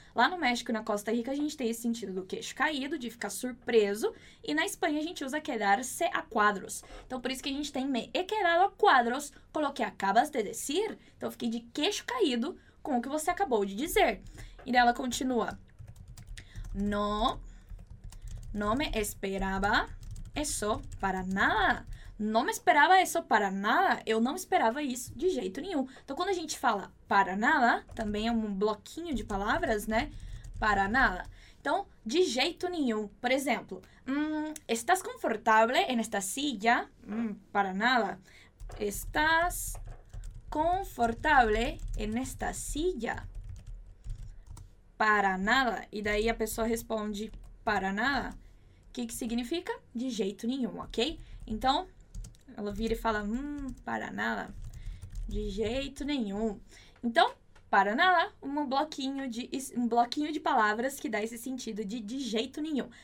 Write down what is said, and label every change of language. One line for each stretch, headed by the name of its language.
Portuguese: Lá no México e na Costa Rica, a gente tem esse sentido do queixo caído, de ficar surpreso, e na Espanha a gente usa quedarse a cuadros. Então, por isso que a gente tem
Spanish: me he quedado a cuadros con lo que acabas de decir.
Portuguese: Então, eu fiquei de queixo caído com o que você acabou de dizer. E ela continua.
Spanish: No me esperaba eso para nada. No me esperaba eso para nada.
Portuguese: Eu não esperava isso de jeito nenhum. Então, quando a gente fala para nada, também é um bloquinho de palavras, né? Para nada. Então, de jeito nenhum. Por exemplo,
Spanish: estás confortable en esta silla?
Portuguese: Para nada.
Spanish: Estás confortable en esta silla? Para nada.
Portuguese: E daí a pessoa responde, para nada. O que, que significa? De jeito nenhum, ok? Então, ela vira e fala, para nada. De jeito nenhum. Então, para nada, um bloquinho de palavras que dá esse sentido de jeito nenhum.